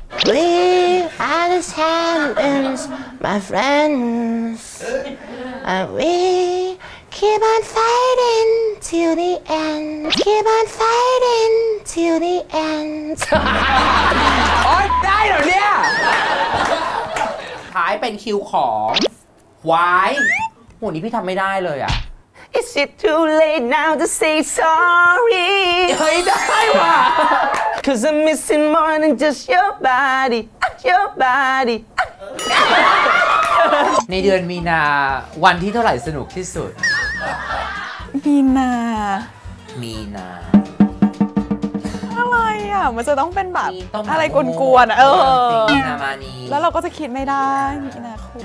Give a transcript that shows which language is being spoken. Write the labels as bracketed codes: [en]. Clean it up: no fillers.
[en] we are the champions my friends and we keep on fighting till the end keep on fightingTill the end. [th] โอ๊ยได้เหรอเนี่ยท้ายเป็นคิวของวายโหนี่พี่ทำไม่ได้เลยอ่ะ [en] Is it too late now to say sorry? [th] เฮ้ยได้ว่ะ [en] Cause I'm missing more than just your body, your body. [th] ในเดือนมีนาวันที่เท่าไหร่สนุกที่สุด มีนา มีนะ อะไรอ่ะมันจะต้องเป็นแบบอะไรกวนๆเออแล้วเราก็จะคิดไม่ได้มีนาคม